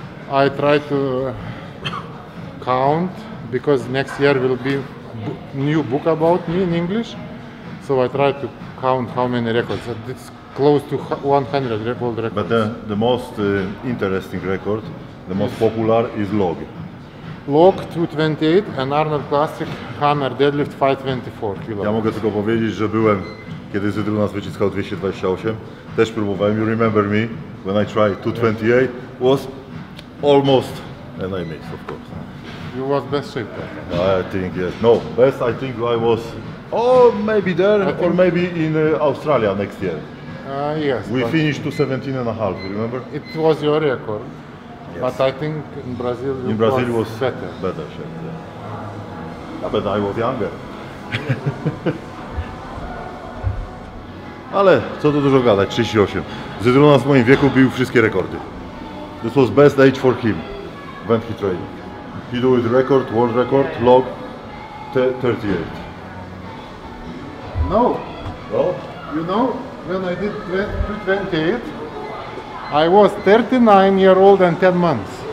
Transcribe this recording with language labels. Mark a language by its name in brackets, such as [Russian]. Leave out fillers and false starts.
[English] I try to count because next year will be new book about me in English. So I try to count how many records. It's close to 100 world records. But the most interesting record, the most popular is log. Log 228 and Arnold Classic Hammer Deadlift 524 kilograms. [Polish] Ja mogę tylko powiedzieć, że byłem, kiedy Zydrunas wyciskał 228, też próbowałem, [English] you remember me, when I tried 228, was almost, and I missed, of course. You was best shape. I think, yes. No, best I think I was, maybe there, or maybe in Australia next year. Yes. We finished 217 and a half, you remember? It was your record. Yes. But I think in Brazil it was better. Better shape, yeah. Yeah, but I was younger. [Polish] Ale co tu dużo gadać, 38. Zydrunas w moim wieku bił wszystkie rekordy. [English] This was best age for him when he trained. He do his record, world record, log 38. No. Oh? You know, when I did 228, I was 39 years old and 10 months.